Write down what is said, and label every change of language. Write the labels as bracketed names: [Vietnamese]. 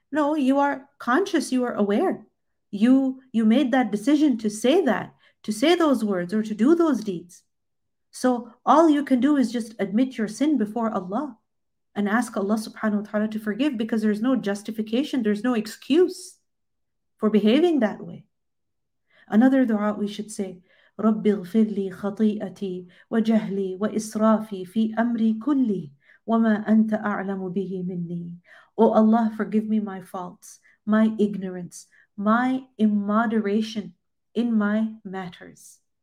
[English] No, you are conscious, you are aware. You made that decision to say that, to say those words or to do those deeds. So all you can do is just admit your sin before Allah and ask Allah subhanahu wa ta'ala to forgive, because there's no justification, there's no excuse for behaving that way. Another dua we should say, [Arabic] رَبِّ اغْفِرْ لِي خَطِيئَتِي وَجَهْلِي وَإِسْرَافِي فِي أَمْرِي كُلِّي وَمَا أَنْتَ أَعْلَمُ بِهِ مِنِّي. [English] O Allah, forgive me my faults, my ignorance, my immoderation in my matters.